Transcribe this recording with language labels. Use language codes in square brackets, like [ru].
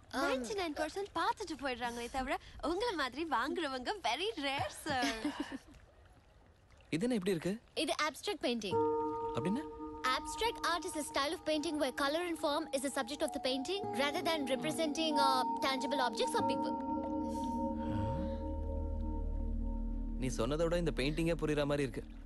[ta] 99% பார்த்துட்டு போயிடுறாங்களே தவிர உங்களை மாதிரி வாங்குறவங்க [en] very rare sir. [ta] இது என்ன எப்படி இருக்கு? இது abstract painting. அப்படின்னா? [en] Abstract art is a style of painting where color and form is the subject of the painting rather than representing tangible objects or people. [ta] நீ சொன்னதோட இந்த பெயிண்டிங்கே புரியற மாதிரி இருக்கு.